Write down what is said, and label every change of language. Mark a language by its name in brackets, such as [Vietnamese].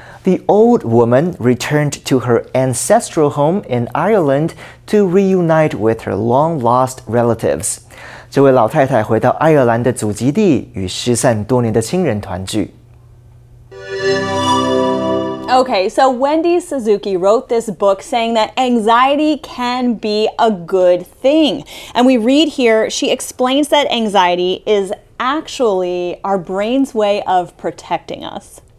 [English] The old woman returned to her ancestral home in Ireland to reunite with her long-lost relatives. [Chinese] 这位老太太回到爱尔兰的祖籍地与失散多年的亲人团聚。 [English] Okay, so Wendy Suzuki wrote this book saying that anxiety can be a good thing. And we read here, she explains that anxiety is actually our brain's way of protecting us.